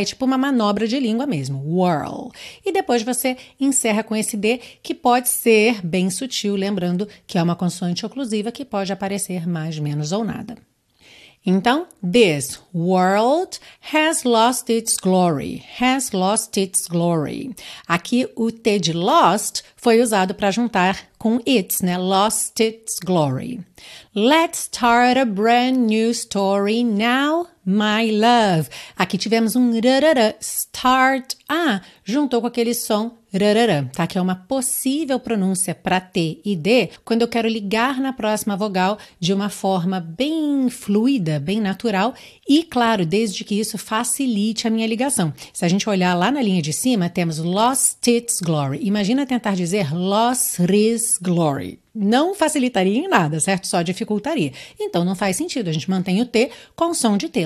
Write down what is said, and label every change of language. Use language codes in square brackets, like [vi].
[pt] É tipo uma manobra de língua mesmo. Whirl. E depois você encerra com esse D, que pode ser bem sutil, lembrando que é uma consoante oclusiva que pode aparecer mais, menos ou nada. Então, [en] this world has lost its glory. Has lost its glory. [pt] Aqui, o T de lost foi usado para juntar com its, né? [en] Lost its glory. Let's start a brand new story now, my love. [pt] Aqui tivemos um rarara, [en] start a, [pt] juntou com aquele som rarara, tá? Que é uma possível pronúncia para T e D quando eu quero ligar na próxima vogal de uma forma bem fluida, bem natural e, claro, desde que isso facilite a minha ligação. Se a gente olhar lá na linha de cima, temos [en] lost its glory. [pt] Imagina tentar dizer [en] lost its glory. [pt] Não facilitaria em nada, certo? Só dificultaria. Então, não faz sentido. A gente mantém o T com o som de T.